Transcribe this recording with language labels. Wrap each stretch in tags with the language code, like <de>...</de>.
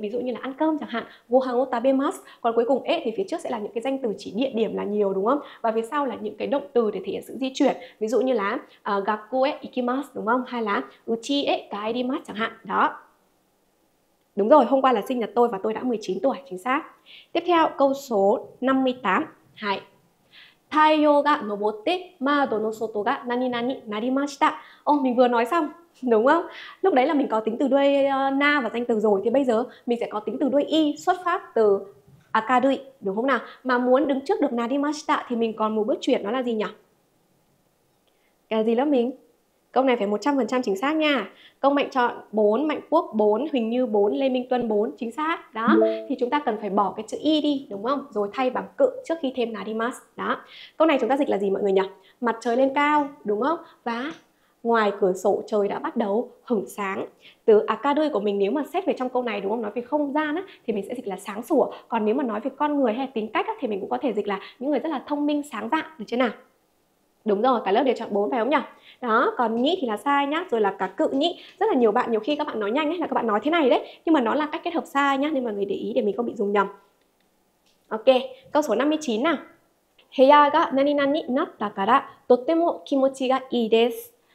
<vi>Ví dụ như là ăn cơm chẳng hạn,</vi> <ja>gohan o tabemasu.</ja> <vi>Còn cuối cùng e thì phía trước sẽ là những cái danh từ chỉ địa điểm là nhiều đúng không? Và phía sau là những cái động từ để thể hiện sự di chuyển. Ví dụ như là</vi> <ja>gakko e ikimasu</ja> <vi>đúng không? Hay là</vi> <ja>uchi e kaerimasu</ja> <vi>chẳng hạn. Đó. Đúng rồi, hôm qua là sinh nhật tôi và tôi đã 19 tuổi, chính xác. Tiếp theo, câu số 58. Hãy.</vi> <ja>太陽が昇って窓の外が何々になりました。</ja> <vi>Oh, mình vừa nói xong, đúng không? Lúc đấy là mình có tính từ đuôi na và danh từ rồi, thì bây giờ mình sẽ có tính từ đuôi y xuất phát từ akarui, đúng không nào? Mà muốn đứng trước được narimashita thì mình còn một bước chuyển, đó là gì nhỉ? Cái gì lớp mình? Câu này phải 100% chính xác nha. Công Mạnh chọn 4, Mạnh Quốc 4, Huỳnh Như 4, Lê Minh Tuân 4, chính xác. Đó, thì chúng ta cần phải bỏ cái chữ y đi, đúng không? Rồi thay bằng cự trước khi thêm narimas. Đó, câu này chúng ta dịch là gì mọi người nhỉ? Mặt trời lên cao, đúng không? Và ngoài cửa sổ trời đã bắt đầu hửng sáng. Từ akadui của mình nếu mà xét về trong câu này, đúng không, nói về không gian á, thì mình sẽ dịch là sáng sủa. Còn nếu mà nói về con người hay là tính cách á, thì mình cũng có thể dịch là những người rất là thông minh, sáng dạng, được chưa nào? Đúng rồi, cả lớp đều chọn 4 phải không nhỉ? Đó, còn nhĩ thì là sai nhá. Rồi là cả cự nhĩ. Rất là nhiều bạn, nhiều khi các bạn nói nhanh ấy, là các bạn nói thế này đấy, nhưng mà nó là cách kết hợp sai nhá, nên mọi người để ý để mình không bị dùng nhầm. Ok, câu số 59 nào.</vi> <ja>部屋が何々になったからとっても気持ちがいいです。</ja>